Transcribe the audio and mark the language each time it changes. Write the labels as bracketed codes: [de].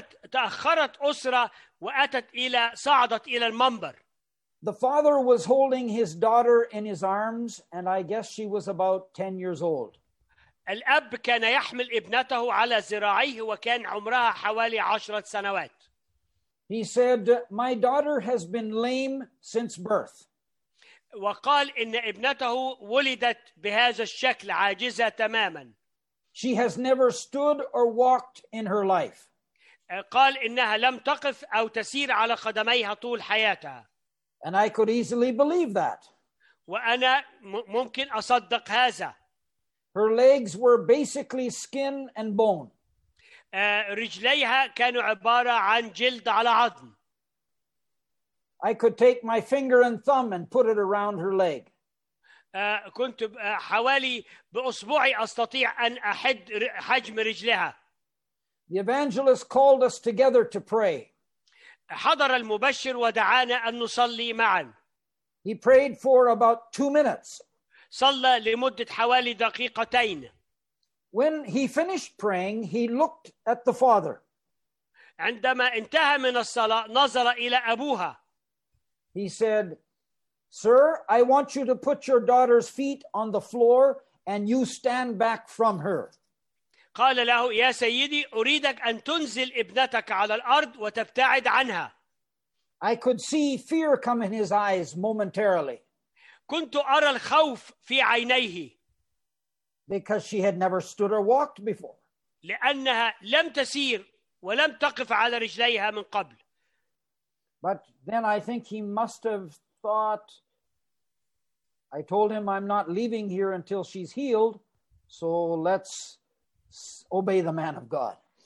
[ar] تأخرت أسرة وأتت إلى صعدت إلى المنبر. [en] The father was holding his daughter in his arms, and I guess she was about 10 years old. [ar] الأب كان يحمل ابنته على ذراعيه وكان عمرها حوالي 10 سنوات. [en] He said, "My daughter has been lame since birth." [ar] وقال إن ابنته ولدت بهذا الشكل عاجزة تماما. [en] She has never stood or walked in her life. [ar] قال إنها لم تقف أو تسير على قدميها طول حياتها. [en] And I could easily believe that. [ar] وأنا ممكن أصدق هذا. [en] Her legs were basically skin and bone. [ar] رجليها كانوا عبارة عن جلد على عظم. [en] I could take my finger and thumb and put it around her leg. [ar] كنت حوالي بأصبعي أستطيع أن أحد حجم رجلها. [en] The evangelist called us together to pray. [ar] حضر المبشر ودعانا أن نصلي معا. [en] He prayed for about 2 minutes. [ar] صلى لمدة حوالي دقيقتين. [en] When he finished praying, he looked at the father. [ar] عندما انتهى من الصلاة نظر إلى أبوها. [en] He said, "Sir, I want you to put your daughter's feet on the floor and you stand back from her." [ar] قال له يا سيدي أريدك أن تنزل ابنتك على الأرض وتبتعد عنها. [en] I could see fear come in his eyes momentarily. [ar] كنت أرى الخوف في عينيه. [en] Because she had never stood or walked before. [ar] لأنها لم تسير ولم تقف على رجليها من قبل. [en] But then I think he must have thought, I told him I'm not leaving here until she's healed, so let's obey the man of God.